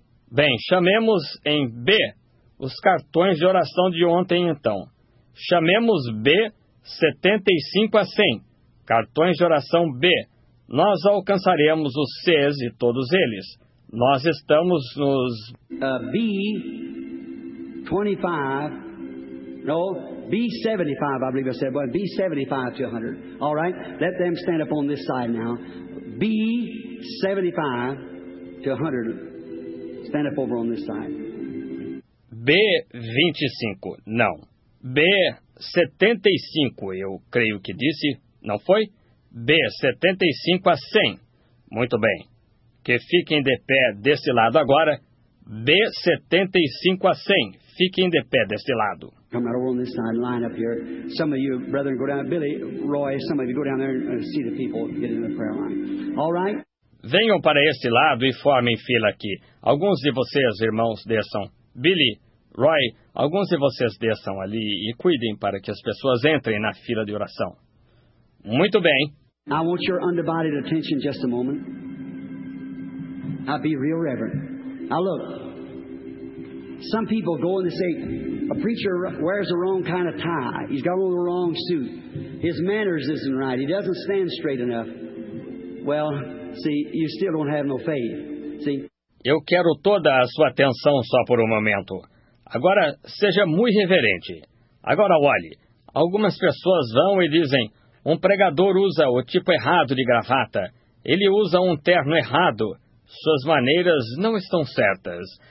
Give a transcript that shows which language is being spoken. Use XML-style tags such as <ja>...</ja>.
<pt>Bem, chamemos em B os cartões de oração de ontem, então. Chamemos B 75 a 100, cartões de oração B. Nós alcançaremos os Cs e todos eles. Nós estamos nos...</pt> <en>B 25, no, B 75, I believe I said, B 75 to 100. All right, let them stand up on this side now. B 75 to 100. Stand up over on this side.</en> <pt>B 25. Não. B 75, eu creio que disse, não foi? B 75 a 100. Muito bem. Que fiquem de pé desse lado agora. B 75 a 100. Fiquem de pé desse lado.</pt> <en>Come right over on this side, line up here. Some of you, brethren, go down. Billy, Roy, some of you go down there and see the people get in the prayer line. All right?</en> <pt>Venham para este lado e formem fila aqui. Alguns de vocês, irmãos, desçam. Billy, Roy, alguns de vocês desçam ali e cuidem para que as pessoas entrem na fila de oração. Muito bem.</pt> <en>I want your undivided attention just a moment. I'll be real reverent. Now look. Some people go and they say, A preacher wears the wrong kind of tie. He's got on the wrong suit. His manners isn't right. He doesn't stand straight enough. Well, see, you still don't have no faith. See?</en> <pt>Eu quero toda a sua atenção só por um momento. Agora, seja muito reverente. Agora, olhe. Algumas pessoas vão e dizem, um pregador usa o tipo errado de gravata. Ele usa um terno errado. Suas maneiras não estão certas.</pt>